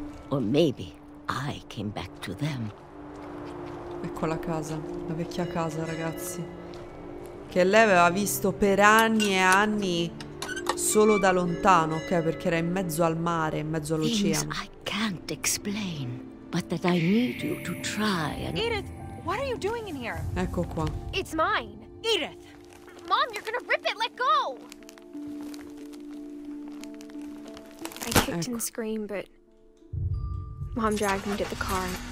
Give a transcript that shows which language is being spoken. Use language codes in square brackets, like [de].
[en] Or maybe I came back to them. [it] Ecco la casa, la vecchia casa, ragazzi, che lei aveva visto per anni e anni solo da lontano, ok? Perché era in mezzo al mare, in mezzo all'oceano. [en] I can't explain, but that I need you to try and... Edith, what are you doing in here? [it] Ecco qua. [en] It's mine. Edith. Mom, you're gonna rip it, let go. I kicked [it] ecco. [en] And screamed, but Mom dragged me to the car.